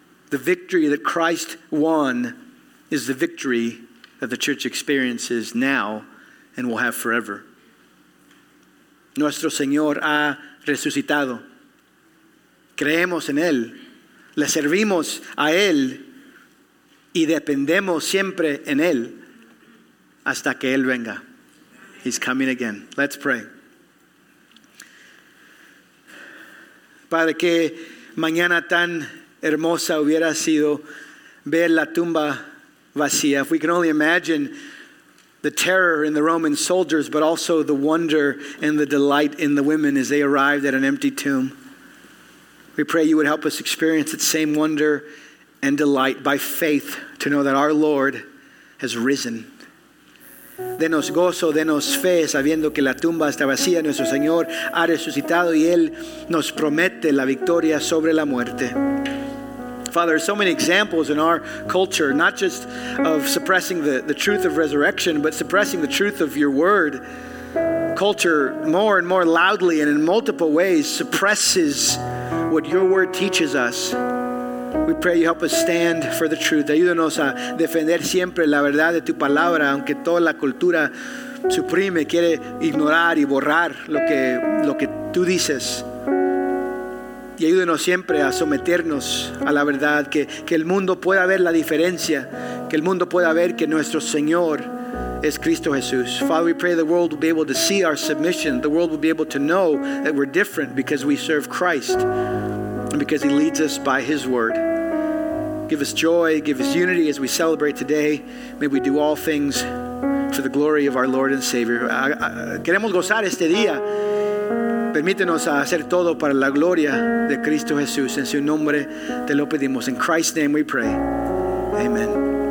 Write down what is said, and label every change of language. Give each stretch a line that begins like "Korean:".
English: The victory that Christ won is the victory that the church experiences now and will have forever.
Spanish: Nuestro Señor ha resucitado. Creemos en Él. Le servimos a Él y dependemos siempre en Él hasta que Él venga.
English: He's coming again. Let's pray.
Spanish: Padre, qué mañana tan hermosa hubiera sido ver la tumba vacía.
English: If we can only imagine the terror in the Roman soldiers, but also the wonder and the delight in the women as they arrived at an empty tomb. We pray you would help us experience that same wonder and delight by faith to know that our Lord has risen.
Spanish: Denos gozo, denos fe, sabiendo que la tumba está vacía. Nuestro Señor ha resucitado y Él nos promete la victoria sobre la muerte.
English: Father, there are so many examples in our culture, not just of suppressing the truth of resurrection, but suppressing the truth of your word. Culture more and more loudly and in multiple ways suppresses what your word teaches us. We pray you help us stand for the truth.
Spanish: Ayúdanos a defender siempre la verdad de tu palabra, aunque toda la cultura suprime, quiere ignorar y borrar lo que tú dices. Y ayúdenos siempre a someternos a la verdad, que el mundo pueda ver la diferencia, que el mundo pueda ver que nuestro Señor es Cristo Jesús.
English: Father, we pray the world will be able to see our submission. The world will be able to know that we're different because we serve Christ and because He leads us by His word. Give us joy, give us unity as we celebrate today. May we do all things for the glory of our Lord and Savior.
Spanish: Queremos gozar este día. Permítenos hacer todo para la gloria de Cristo Jesús. En su nombre te lo pedimos.
English: In Christ's name we pray. Amen.